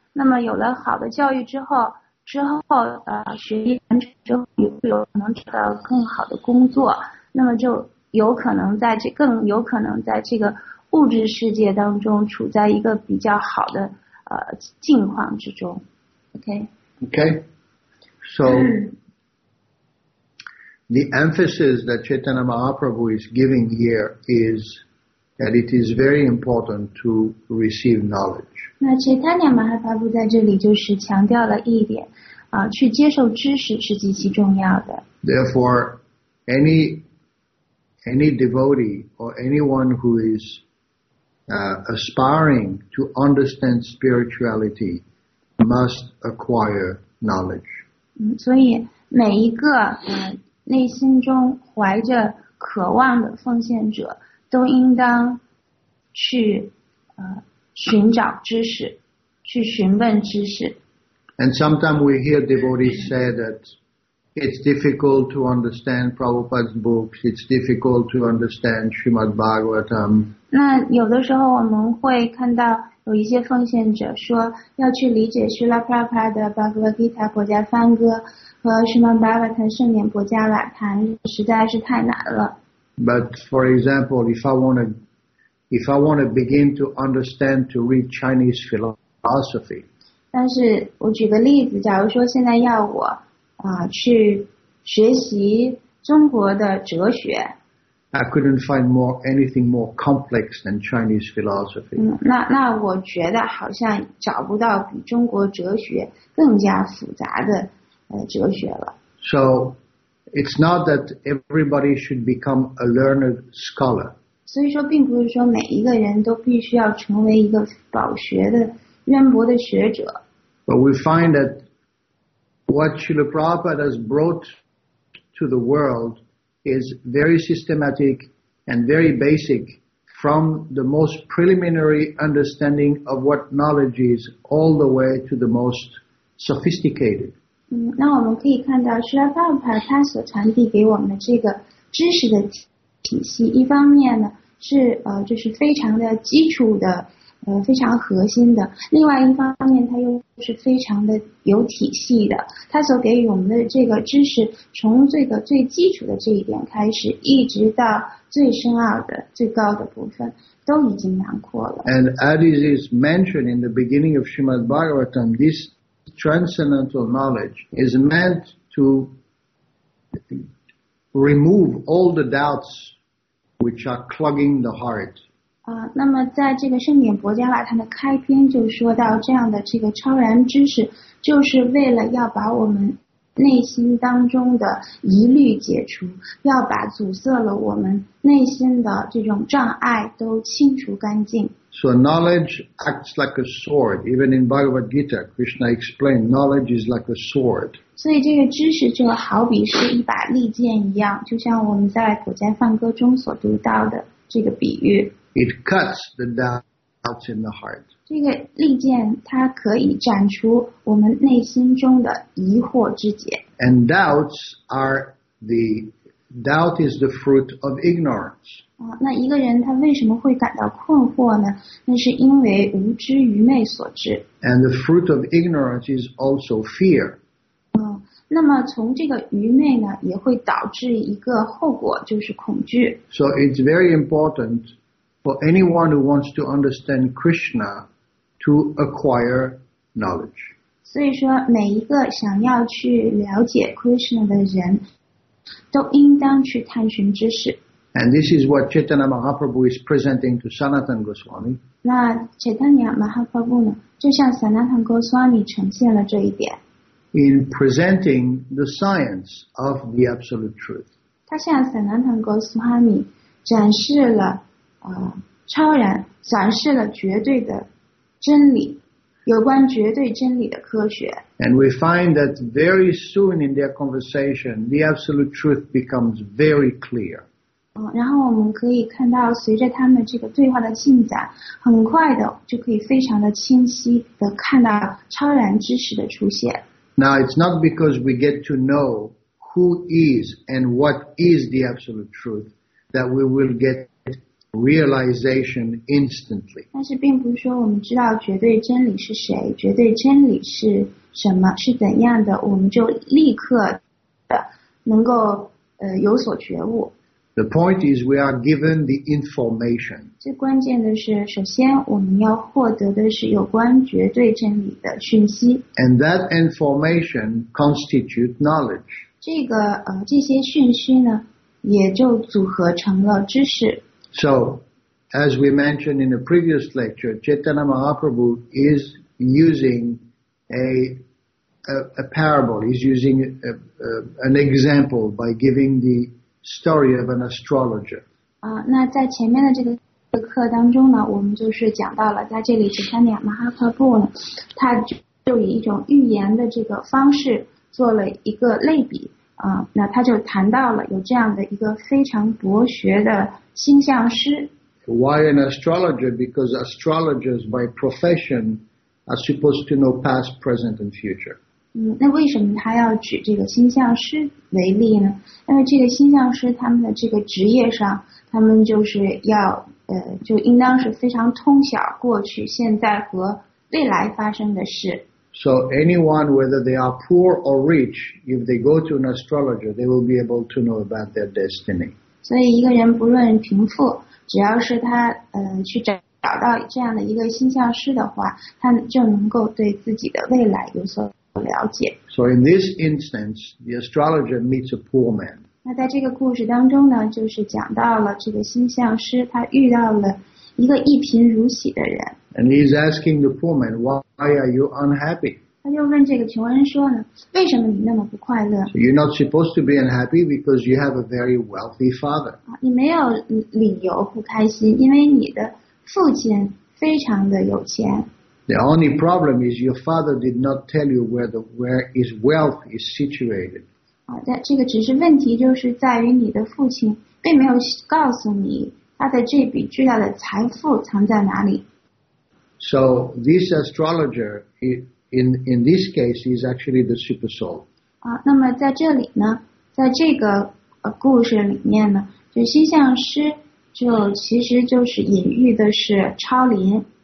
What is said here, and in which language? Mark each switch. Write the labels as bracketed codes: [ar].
[zh] 那么有了好的教育之后，学业完成之后，也会有可能找到更好的工作。那么就更有可能在这个物质世界当中处在一个比较好的境况之中。 [en] OK, so the emphasis that Chaitanya Mahaprabhu is giving here is that it is very important to receive knowledge. [zh] 那 Chaitanya Mahaprabhu 在这里就是强调了一点去接受知识是极其重要的。 [en] Therefore, any devotee or anyone who isaspiring to understand spirituality must acquire knowledge. [zh] 所以每一个内心中怀着渴望的奉献者都应当去寻找知识，去询问知识。 [en] And sometimes we hear devotees say that it's difficult to understand Prabhupada's books, it's difficult to understand Srimad Bhagavatam. [zh] 那有的时候我们会看到有一些奉献者说要去理解 Srila Prabhupada 的 Bhagavad Gita 国家梵歌和 Srimad Bhagavatam 圣典国家瓦坛实在是太难了。 [en] But for example, if I want to begin to understand to read Chinese philosophy. [zh] 但是我举个例子，假如说现在要我去学习中国的哲学。 [en] I couldn't find anything more complex than Chinese philosophy. [zh] 那我觉得好像找不到比中国哲学更加复杂的哲学了。 [en] So, it's not that everybody should become a learned scholar. [zh] 所以说并不是说每一个人都必须要成为一个饱学的渊博的学者。 [en] But we find thatWhat Srila Prabhupada has brought to the world is very systematic and very basic from the most preliminary understanding of what knowledge is all the way to the most sophisticated. [zh] 那我们可以看到 Srila Prabhupada 他所传递给我们的这个知识的体系，一方面呢是就是非常的基础的，非常核心的，另外一方面它又是非常的有体系的，它所给予我们的这个知识从这个最基础的这一点开始，一直到最深奥的最高的部分都已经囊括了。 [en] And as it is mentioned in the beginning of Srimad Bhagavatam, this transcendental knowledge is meant to remove all the doubts which are clogging the heart. [zh] 那么在这个圣典薄伽瓦它的开篇就说到，这样的这个超然知识就是为了要把我们内心当中的疑虑解除，要把阻塞了我们内心的这种障碍都清除干净。 [en] So knowledge acts like a sword. Even in Bhagavad Gita, Krishna explained knowledge is like a sword. [zh] 所以这个知识就好比是一把利剑一样，就像我们在普贤梵歌中所读到的这个比喻。 [en] It cuts the doubts in the heart. [zh] 这个利剑它可以斩除我们内心中的疑惑之结。 [en] And doubts are the doubt is the fruit of ignorance. [zh] 那一个人他为什么会感到困惑呢？那是因为无知愚昧所致。 [en] And the fruit of ignorance is also fear. [zh] 那么从这个愚昧呢也会导致一个后果，就是恐惧。 [en] So it's very importantFor anyone who wants to understand Krishna, to acquire knowledge. [zh] 所以说每一个想要去了解 Krishna 的人都应当去探寻知识。 [en] And this is what Chaitanya Mahaprabhu is presenting to Sanatan Goswami. [zh] 那 Chaitanya Mahaprabhu 呢就向 Sanatan Goswami 呈现了这一点。 [en] In presenting the science of the absolute truth. [zh] 他向 Sanatan Goswami 展示了超然展示了绝对的真理，有关绝对真理的科学。 [en] And we find that very soon in their conversation, the absolute truth becomes very clear. [zh] 然后我们可以看到随着他们这个对话的进展，很快的就可以非常的清晰的看到超然知识的出现。 [en] Now it's not because we get to know who is and what is the absolute truth that we will getrealization instantly. [zh] 但是并不是说我们知道绝对真理是谁，绝对真理是什么，是怎样的，我们就立刻的能够有所觉悟。 [en] The point is we are given the information. [zh] 最关键的是首先我们要获得的是有关绝对真理的讯息。 [en] And that information constitutes knowledge. [zh] 这些讯息呢也就组合成了知识。 [en] So, as we mentioned in a previous lecture, Chaitanya Mahaprabhu is using a parable, he's using an example by giving the story of an astrologer. [zh] 那在前面的这个课当中呢，我们就是讲到了在这里 Chaitanya Mahaprabhu 呢，他就以一种预言的这个方式做了一个类比。那他就谈到了有这样的一个非常博学的星象师。 [en] Why an astrologer? Because astrologers by profession are supposed to know past, present and future. [zh] 那为什么他要举这个星象师为例呢？因为这个星象师他们的这个职业上，他们就是要就应当是非常通晓过去、现在和未来发生的事。 [en] So anyone, whether they are poor or rich, if they go to an astrologer, they will be able to know about their destiny. [zh] 所以一个人不论贫富，只要是他去找到这样的一个星象师的话，他就能够对自己的未来有所了解。 [en] So in this instance, the astrologer meets a poor man. [zh] 那在这个故事当中呢，就是讲到了这个星象师他遇到了一个一贫如洗的人。 [en] And he's asking the poor man, why are you unhappy? [zh] 他就问这个穷人说呢，为什么你那么不快乐？ [en] So you're not supposed to be unhappy because you have a very wealthy father. [zh] 你没有理由不开心，因为你的父亲非常的有钱。 [en] The only problem is your father did not tell you where his wealth is situated. [zh] 这个只是问题就是在于你的父亲并没有告诉你他的这笔巨大的财富藏在哪里。 [en] So this astrologer, in this case, is actually the super soul. [zh] 那么在这里呢，在这个故事里面呢，这星象师就其实就是隐喻的是超灵。